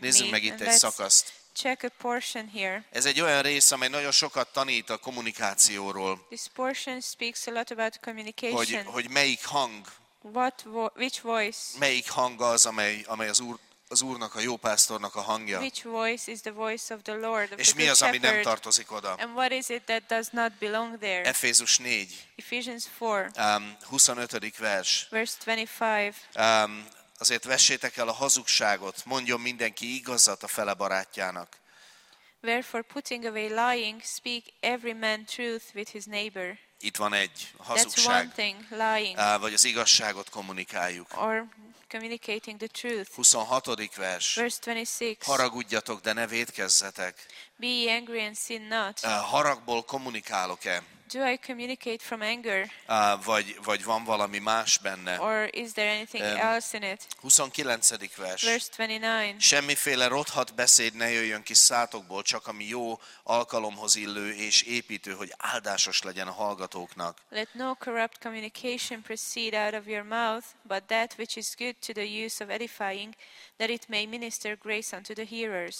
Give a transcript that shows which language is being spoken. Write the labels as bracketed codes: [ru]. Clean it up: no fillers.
[hu] Nézzük meg itt egy szakaszt. [en] Check a portion here. [hu] Ez egy olyan rész, amely nagyon sokat tanít a kommunikációról. [en] This portion speaks a lot about communication. [hu] Hogy melyik hang? [en] What which voice? [hu] Melyik hang az, amely az Úrnak, a jó pásztornak a hangja. [en] Which voice is the voice of the Lord? [hu] És mi az, ami nem tartozik oda? [en] And what is it that does not belong there? [hu] Efézus 4. [en] Ephesians 4. [hu] 25. vers. [en] Verse 25. [hu] Azért vessétek el a hazugságot, mondjon mindenki igazat a fele barátjának. [en] Therefore putting away lying, speak every man truth with his neighbor. [hu] Itt van egy hazugság. [en] That's one thing, lying. [hu] Vagy az igazságot kommunikáljuk. [en] Or communicating the truth. [hu] 26. vers. [en] Verse 26. [hu] Haragudjatok, de ne vétkezzetek. [en] Be angry and sin not. [hu] Haragból kommunikálok-e? [en] Do I communicate from anger? [hu] Vagy van valami más benne? [en] Or is there anything else in it? [hu] 29. vers. [en] Verse 29. [hu] Semmiféle rothadt beszéd ne jöjjön ki szátokból, csak ami jó, alkalomhoz illő és építő, hogy áldásos legyen a hallgatóknak. [en] Let no corrupt communication proceed out of your mouth, but that which is good to the use of edifying, that it may minister grace unto the hearers.